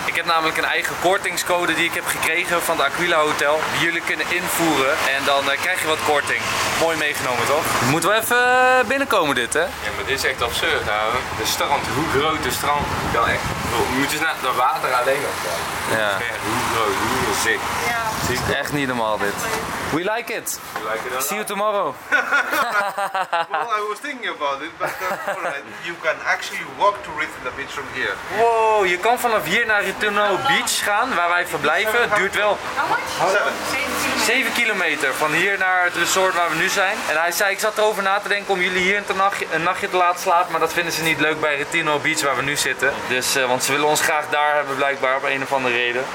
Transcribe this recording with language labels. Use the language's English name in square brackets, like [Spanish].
[Dutch] Ik heb namelijk een eigen kortingscode die ik heb gekregen van het Aquila Hotel, die jullie kunnen invoeren en dan krijg je wat korting. Mooi meegenomen, toch? Moeten we even binnenkomen dit, hè? Ja, maar dit is echt absurd, hè? De strand, hoe groot de strand kan echt. Je moet eens naar het water alleen nog kijken. Ja. Hoe groot, hoe zicht. Ja. Het is echt niet normaal dit. [English] We like it. We like it. See you tomorrow. Well, I was thinking about it, but you can actually walk to Rithula Beach from here. [Dutch] Wow, je kan vanaf hier naar Rithula Beach gaan, waar wij verblijven. Het duurt wel... [English] How much? [Dutch] 7 kilometer van hier naar het resort waar we nu zijn. En hij zei, ik zat erover na te denken om jullie hier een nachtje te laten slapen. Maar dat vinden ze niet leuk bij Rithula Beach waar we nu zitten. Dus, want ze willen ons graag daar hebben blijkbaar op een of andere reden.